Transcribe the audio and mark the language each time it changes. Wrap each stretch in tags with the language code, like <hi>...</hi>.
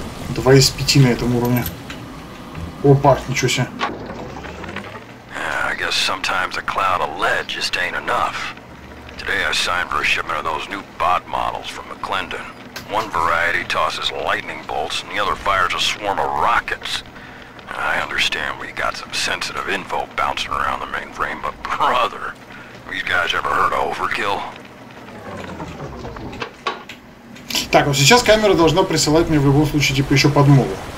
<ru>Два из пяти на этом уровне. Опа, ничего себе.</ru> <en>Sometimes a cloud of lead just ain't enough. Today I signed for a shipment of those new bot models from McClendon. One variety tosses lightning bolts and the other fires a swarm of rockets. I understand we got some sensitive info bouncing around the mainframe, but brother, these guys ever heard of overkill?</en> <ru>Так, вот сейчас камера должна присылать мне в любом случае типа еще подмогу.</ru>